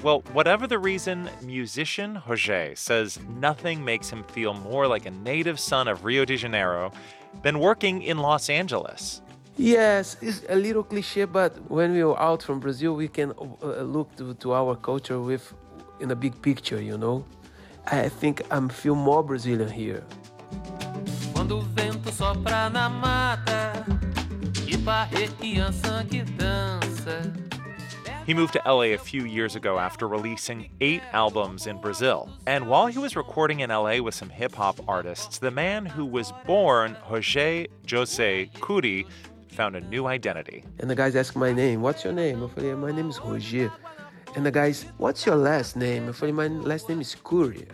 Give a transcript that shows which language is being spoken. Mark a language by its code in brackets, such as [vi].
[en] Well, whatever the reason, musician Jorge says nothing makes him feel more like a native son of Rio de Janeiro than working in Los Angeles. Yes, it's a little cliche, but when we are out from Brazil, we can look to our culture with in a big picture, you know? I think I feel more Brazilian here. [pt] Quando o vento sopra na mata, que barre criança que dança. [en] He moved to L.A. a few years ago after releasing 8 albums in Brazil. And while he was recording in L.A. with some hip-hop artists, the man who was born Jorge José Cury found a new identity. And the guys asked my name, what's your name? I said, yeah, my name is Jorge. And the guy's, what's your last name? I said, my last name is Cury.